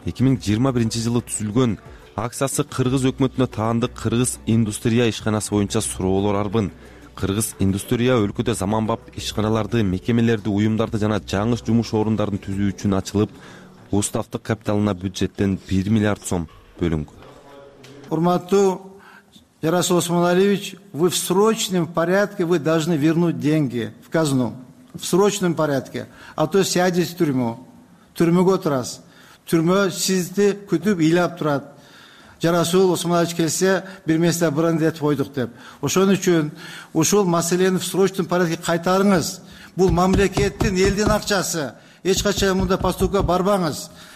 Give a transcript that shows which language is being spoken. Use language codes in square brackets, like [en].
[ky] 2021 жылы түзүлгөн акциясы кыргыз өкмөтүнө таандык кыргыз индустрия ишканасы боюнча суроолор арбын. Кыргыз индустрия өлкөдө заманбап ишканаларды, мекемелерди, уюмдарды жана жаңы жумуш орундарын түзүү үчүн ачылып, уставтык капиталына бюджеттен 1 миллиард сом бөлүнгөн. [ru] Урматтуу Ярослав Смолалевич, вы в срочном порядке вы должны вернуть деньги в казну. В срочном порядке. А то сядете в тюрьму. [ky] Тюрьмөгө отурас. Тюрьмө сизди күтүп ыйлап турат. Жарасул Осмонович келсе, бир месте бронь деп койдук деп. Ошон үчүн ушул маселени [ru] в срочном порядке [ky] кайтарыңыз. Бул мамлекеттин элдин акчасы. Эч качан мындай поступка барбаңыз.